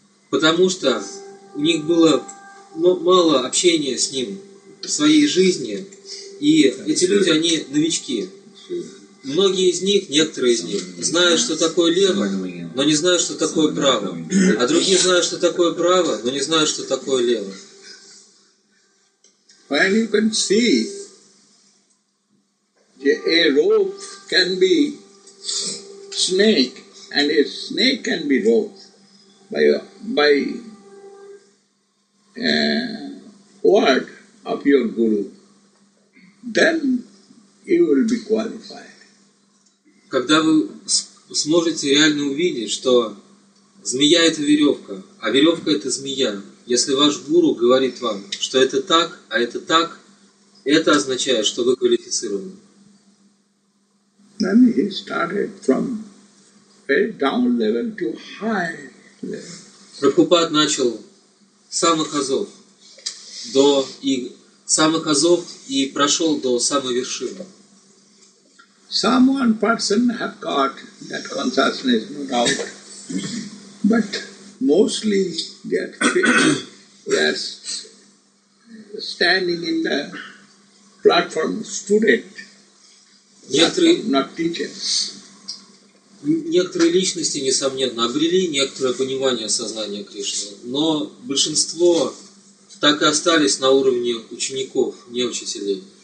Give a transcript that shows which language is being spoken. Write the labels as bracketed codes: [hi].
[ru] Потому что у них было мало общения с ним в своей жизни. И эти люди, они новички. Многие из них, некоторые из них, знают, что такое лево, но не знают, что такое право. А другие знают, что такое право, но не знают, что такое лево. [en] When you can see a rope can be snake, and a snake can be rope by word of your guru, then you will be qualified. [ru] Когда вы сможете реально увидеть, что змея – это веревка, а веревка – это змея, если ваш гуру говорит вам, что это так, а это так, это означает, что вы квалифицированы. [en] Then he started from very down level to high level. [ru] Прабхупад начал самых азов до и самых азов и прошел до самой вершины. [en] Some one person have got that consciousness, no doubt. But mostly they are standing in the platform student, not teachers. [ru] Некоторые личности, несомненно, обрели некоторое понимание сознания Кришны, но большинство так и остались на уровне учеников, не учителей.